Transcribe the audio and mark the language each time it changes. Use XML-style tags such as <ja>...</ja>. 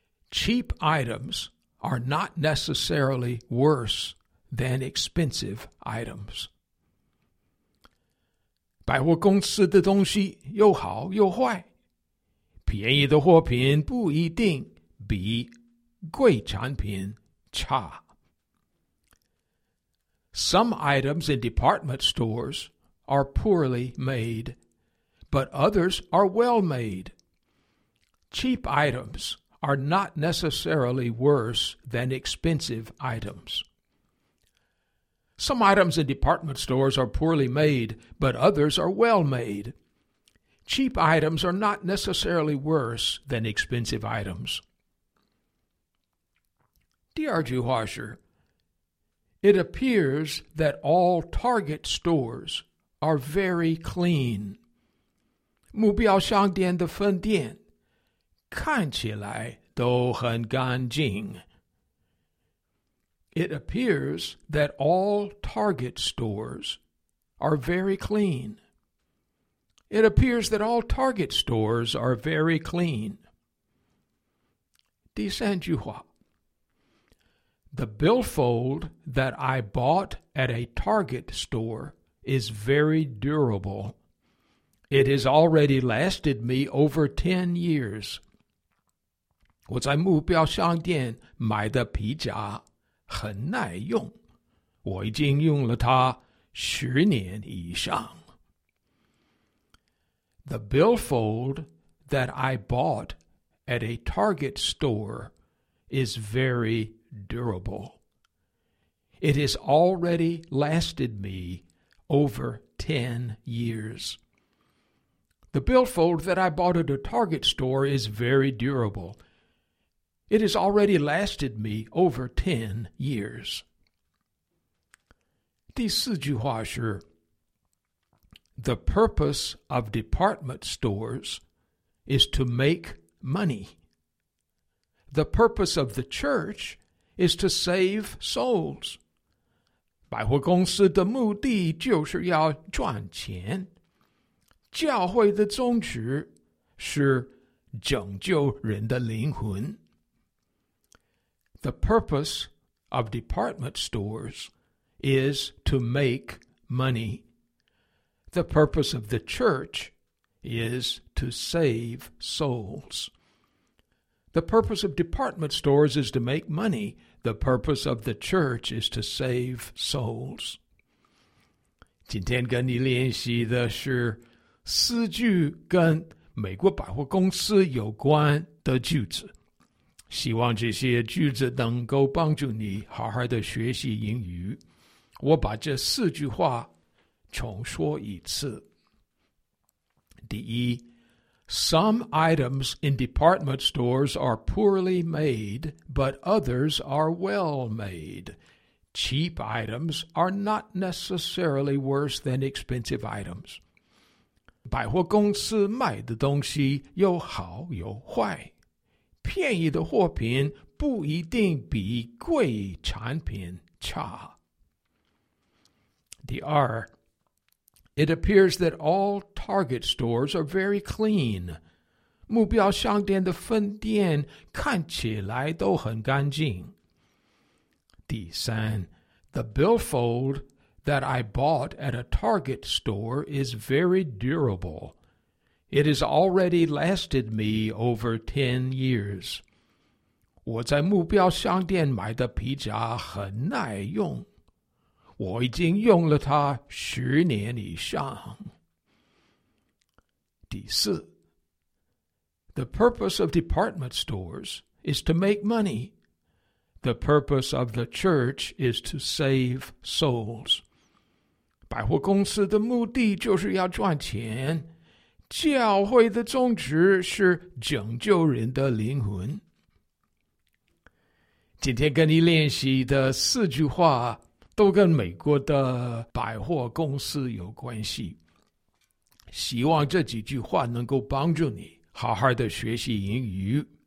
<en>Cheap items are not necessarily worse than expensive items.</en> <zh>百货公司的东西又好又坏，便宜的货品不一定比贵产品差。</zh> <en>Some items in department stores are poorly made, but others are well made. Cheap items are not necessarily worse than expensive items. Some items in department stores are poorly made, but others are well made. Cheap items are not necessarily worse than expensive items.</en> <zh>第二句话是,</zh> <en>It appears that all Target stores are very clean.</en> <zh>目标商店的分店看起来都很干净。</zh> <en>It appears that all Target stores are very clean. It appears that all Target stores are very clean.</en> <zh>第三句话。</zh> <en>The billfold that I bought at a Target store is very durable. It has already lasted me over 10 years.</en> <zh>我在目标商店买的皮夹很耐用，我已经用了它十年以上。</zh> <en>The billfold that I bought at a Target store is very durable. It has already lasted me over 10 years. The billfold that I bought at a Target store is very durable. It has already lasted me over 10 years.</en> <zh>第四句话是</zh> <en>The purpose of department stores is to make money. The purpose of the church is to save souls.</en> <zh>百货公司的目的就是要赚钱。教会的宗旨是拯救人的灵魂。</zh> <en>The purpose of department stores is to make money. The purpose of the church is to save souls. The purpose of department stores is to make money. The purpose of the church is to save souls.</en> <zh>今天跟你练习的是四句跟美国百货公司有关的句子。希望这些句子能够帮助你好好的学习英语。我把这四句话重说一次。第一，</zh> <en>Some items in department stores are poorly made, but others are well made. Cheap items are not necessarily worse than expensive items.</en> <zh>百货公司卖的东西又好又坏。便宜的货品不一定比贵产品差。第二，</zh> <en>It appears that all Target stores are very clean.</en> <zh>目标商店的分店看起来都很干净。第三，</zh> <en>The billfold that I bought at a Target store is very durable. It has already lasted me over 10 years.</en> <zh>我在目标商店买的皮夹很耐用。我已经用了它十年以上。第四，</zh> <en>The purpose of department stores is to make money. The purpose of the church is to save souls.</en> <zh>百货公司的目的就是要赚钱。教会的宗旨是拯救人的灵魂。今天跟你练习的四句话都跟美国的百货公司有关系，希望这几句话能够帮助你好好的学习英语。</zh>